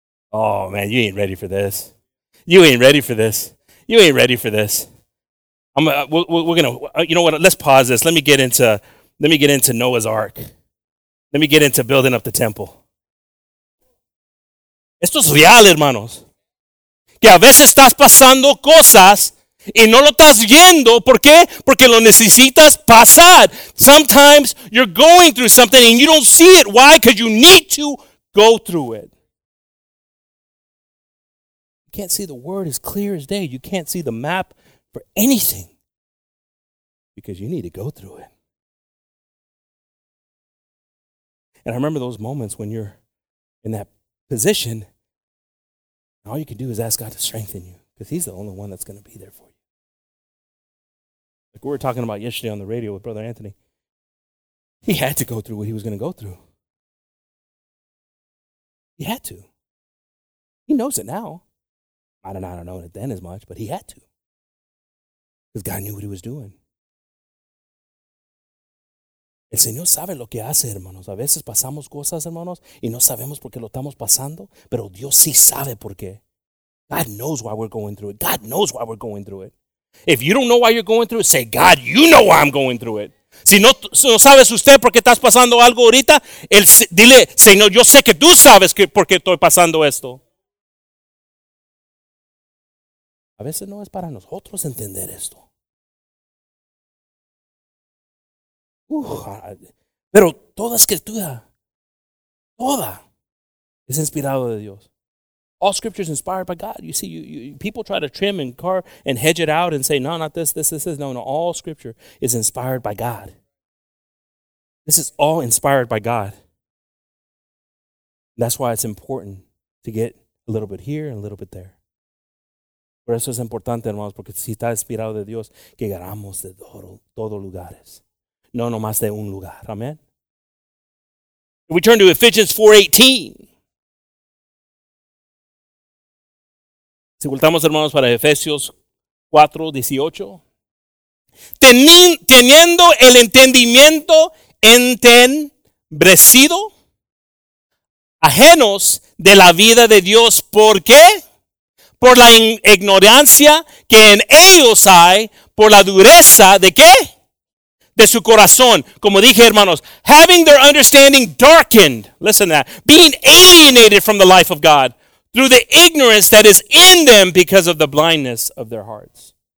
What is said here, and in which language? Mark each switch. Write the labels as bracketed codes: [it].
[en] Oh, man, you ain't ready for this. You ain't ready for this. You ain't ready for this. Let's pause this. Let me get into Noah's Ark. Let me get into building up the temple. [es] Esto es real, hermanos. Que a veces estás pasando cosas y no lo estás viendo. ¿Por qué? Porque lo necesitas pasar. [en] Sometimes you're going through something and you don't see it. Why? Because you need to go through it. Can't see the word as clear as day. You can't see the map for anything because you need to go through it. And I remember those moments when you're in that position, and all you can do is ask God to strengthen you because he's the only one that's going to be there for you. Like we were talking about yesterday on the radio with Brother Anthony, he had to go through what he was going to go through. He had to. He knows it now. I don't know it then as much, but he had to. Because God knew what he was doing. [es] El Señor sabe lo que hace, hermanos. A veces pasamos cosas, hermanos, y no sabemos por qué lo estamos pasando, pero Dios sí sabe por qué. [en] God knows why we're going through it. God knows why we're going through it. If you don't know why you're going through it, say, God, you know why I'm going through it. Si no sabes usted por qué estás pasando algo ahorita, dile, Señor, yo sé que tú sabes por qué estoy pasando esto. [es] A veces no es para nosotros entender esto. Pero toda escritura, toda, es inspirado de Dios. [en] All scripture is inspired by God. You see, you people try to trim and carve and hedge it out and say, no, not this, this, this, this. No, all scripture is inspired by God. This is all inspired by God. That's why it's important to get a little bit here and a little bit there. [es] Por eso es importante, hermanos, porque si está inspirado de Dios, que llegamos de todo lugares. No nomás de un lugar. [en] Amen. We turn to Ephesians 4:18. [es] Si voltamos, hermanos, para Efesios 4:18. Teniendo el entendimiento entenebrecido, ajenos de la vida de Dios, ¿por qué? Por la ignorancia que en ellos hay, por la dureza de qué? De su corazón. Como dije, hermanos, [en] having their understanding darkened, listen to that, being alienated from the life of God through the ignorance that is in them because of the blindness of their hearts.